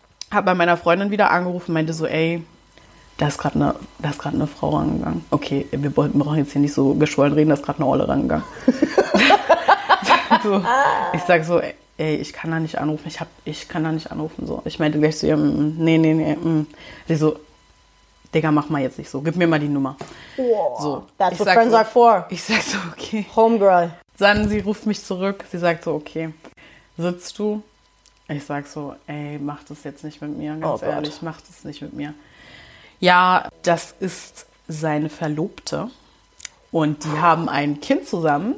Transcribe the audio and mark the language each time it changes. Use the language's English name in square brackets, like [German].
[German] Hab bei meiner Freundin wieder angerufen, meinte so, ey, da ist gerade eine Frau rangegangen. Okay, wir brauchen jetzt hier nicht so geschwollen reden, da ist gerade eine Olle rangegangen. So, ich sag so, ey, ich kann da nicht anrufen. Ich kann da nicht anrufen. So. Ich meinte gleich zu ihr, nee. Sie so, Digga, mach mal jetzt nicht so. Gib mir mal die Nummer. [English] So, that's what friends are for. [German] Ich sag so, okay. [English] Homegirl. [German] Dann, sie ruft mich zurück. Sie sagt so, okay, sitzt du? Ich sag so, ey, mach das jetzt nicht mit mir. Ganz ehrlich, mach das nicht mit mir. Ja, das ist seine Verlobte. Und die haben ein Kind zusammen.